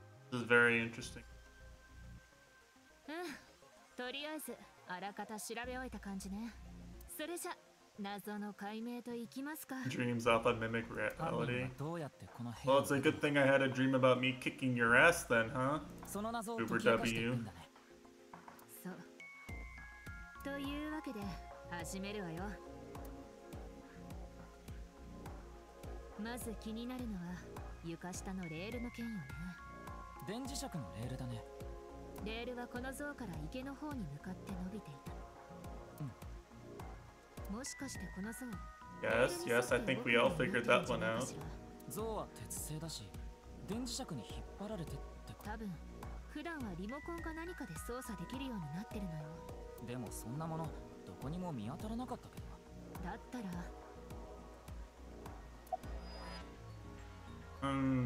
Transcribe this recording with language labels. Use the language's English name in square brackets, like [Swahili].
[English] This is very interesting. [Japanese] うん。とりあえず、あらかた調べ終えた感じね。それじゃ、謎の解明といきますか。 [English] Dreams often mimic reality. [Japanese] どうやってこの部屋に。 [English] Well, it's a good thing I had a dream about me kicking your ass then, huh? [Japanese] その謎を解き明かしていくんだね。そう。というわけで、始めるわよ。まず気になるのは、床下のレールの件よね。電磁石のレールだね。レールはこの像から池の方に向かって伸びていた。うん、もしかしてこの像。 [English] Yes, yes, I think we all figured that one out. [Japanese] 像は鉄製だし、電磁石に引っ張られてってか。多分、普段はリモコンか何かで操作できるようになってるのよ。でもそんなもの、どこにも見当たらなかったけど。だだったら。